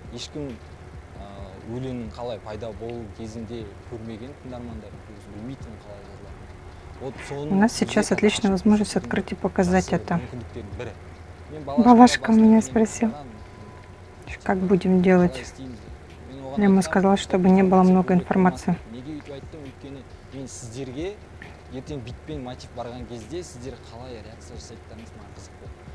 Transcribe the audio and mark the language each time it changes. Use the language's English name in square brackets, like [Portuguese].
[Kazakh] Өлеңін қалай пайда болу кезінде көрмеген тыңдармандар өзі білмейтін қалай жазылады. [Russian] Вот [Kazakh] соны. [Russian] У нас сейчас отличная возможность открыть и показать это. Балашка меня спросил, как будем делать. Я ему сказала, чтобы не было много информации. [Kazakh] Неге үйтіп айттым, өйткені мен сіздерге ертең битпен мотив барған кезде сіздер қалай реакция жасайтындарыңыз маған қызық болды.